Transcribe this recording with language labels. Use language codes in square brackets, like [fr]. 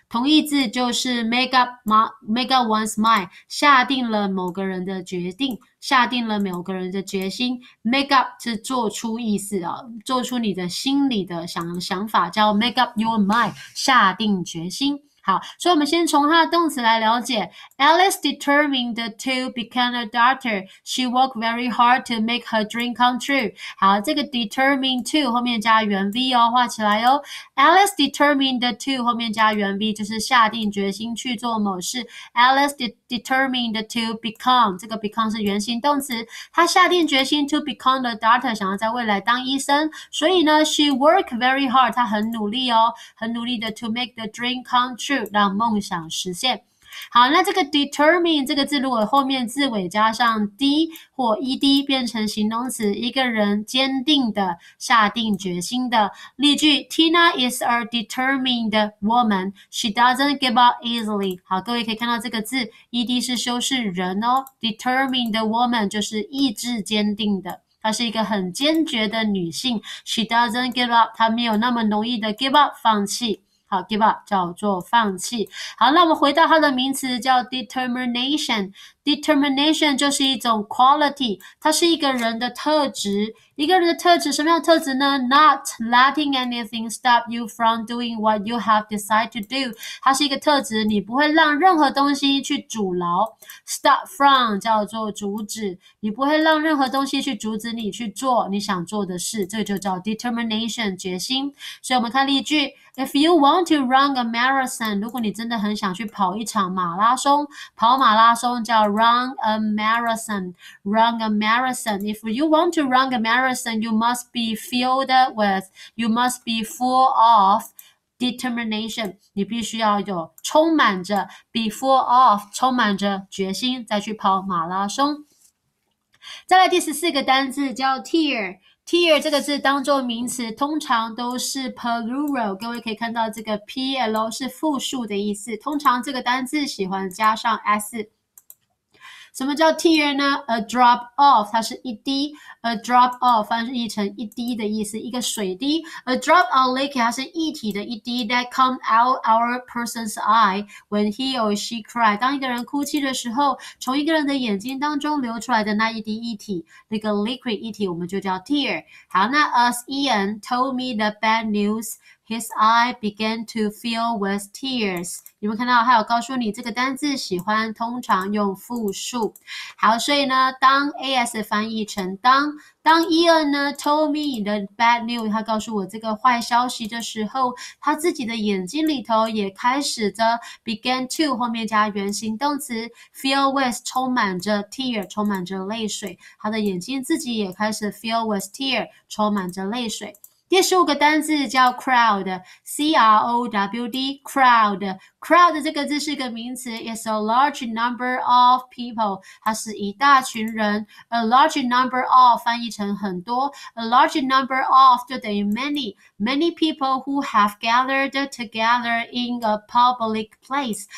[zh] 同义字就是 [en] make up one's mind， [zh] 下定了某个人的决定，下定了某个人的决心。 make up 是做出意思啊，做出你的心里的想法，叫 [en] make up your mind， [zh] 下定决心。好，所以我们先从它的动词来了解。 [en] Alice determined to become a doctor. She worked very hard to make her dream come true. [zh] 好，这个 determined to 后面加原 v 哦，画起来哦。 Alice determined to 后面加原 v 就是下定决心去做某事。 Alice determined to become 这个 become 是原形动词，她下定决心 [en] to become a doctor， [zh] 想要在未来当医生。所以呢， [en] she worked very hard， [zh] 她很努力哦，很努力的 [en] to make the dream come true。 [zh] 让梦想实现。好，那这个 determine 这个字，如果后面字尾加上 d 或 ed，变成形容词，一个人坚定的下定决心的。 [en] 例句：Tina is a determined woman. She doesn't give up easily. [zh] 好，各位可以看到这个字，ed 是修饰人哦， [en] determined woman [zh] 就是意志坚定的。她是一个很坚决的女性。 [en] She doesn't give up， [zh] 她没有那么容易的 give up 放弃。好，give up 叫做放弃。好，那我们回到它的名词叫 determination。 determination 就是一种 quality，它是一个人的特质。一个人的特质，什么样的特质呢？ [en] Not letting anything stop you from doing what you have decided to do。 [zh] 它是一个特质，你不会让任何东西去阻挠。 stop from 叫做阻止，你不会让任何东西去阻止你去做你想做的事，这就叫 determination 决心。所以我们看例句： [en] If you want to run a marathon， [zh] 如果你真的很想去跑一场马拉松，跑马拉松叫 [en] run a marathon。 If you want to run a marathon, you must be full of determination。 [zh] 你必须要有充满着 [en] be full of [zh] 充满着决心再去跑马拉松。再来第十四个单字叫 tear。Tear 这个字当做名词，通常都是 plural。各位可以看到这个 PL 是复数的意思，通常这个单字喜欢加上 S。什么叫 tear 呢？A drop of，它是一滴。 A drop of 翻译成一滴的意思，一个水滴。 [en] A drop of liquid， [zh] 它是液体的一滴。 [en] That come out our person's eye when he or she cry。 [zh] 当一个人哭泣的时候，从一个人的眼睛当中流出来的那一滴液体，那个 liquid 液体，我们就叫 tear。好，那 [en] as Ian told me the bad news。 His eye began to fill with tears。 [zh] 有没有看到？还有告诉你这个单字喜欢通常用复数。好，所以呢，当 AS 翻译成当 Ian 呢 [en] told me the bad news， [zh] 他告诉我这个坏消息的时候，他自己的眼睛里头也开始着 began to 后面加原形动词 fill with 充满着 tear 充满着泪水，他的眼睛自己也开始 [en] fill with tear [zh] 充满着泪水。第十五个单字叫 crowd，crowd 这个字是个名词， [en] is a large number of people， [zh] 它是一大群人。 [en] a large number of [zh] 翻译成很多， [en] a large number of 就等于 many，many people who have gathered together in a public place。